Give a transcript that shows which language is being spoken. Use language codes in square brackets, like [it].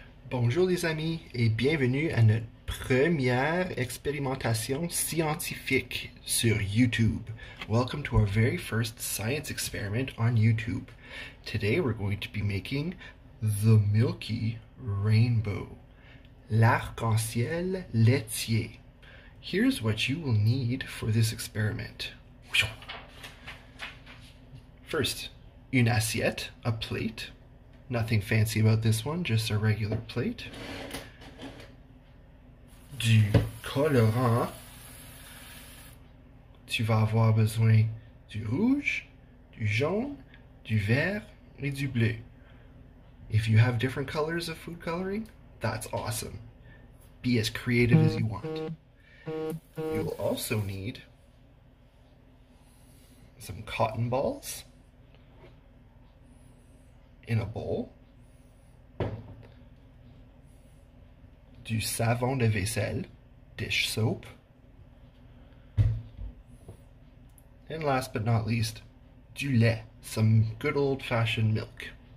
[fr] Bonjour les amis et bienvenue à notre première expérimentation scientifique sur YouTube. [en] Welcome to our very first science experiment on YouTube. Today we're going to be making the Milky Rainbow, [fr] l'arc-en-ciel laitier. [en] Here's what you will need for this experiment. First, [fr] une assiette, [en] a plate. Nothing fancy about this one, just a regular plate. [fr] Du colorant. Tu vas avoir besoin du rouge, du jaune, du vert et du bleu. [en] If you have different colors of food coloring, that's awesome. Be as creative as you want. You will also need some cotton balls in a bowl, [fr] du savon de vaisselle, [en] dish soap, and last but not least, [fr] du lait, [en] some good old-fashioned milk.